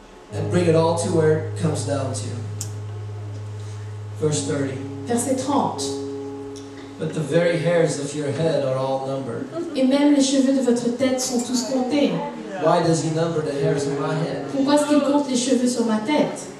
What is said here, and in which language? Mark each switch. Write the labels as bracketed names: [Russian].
[English] And bring it all to where it comes down to. Verse 30. [French] Verset 30. [English] But the very hairs of your head are all numbered. [French] Et même les cheveux de votre tête sont tous comptés. [English] Why does he number the hairs of my head? [French] Pourquoi est-ce qu'il compte les cheveux sur ma tête?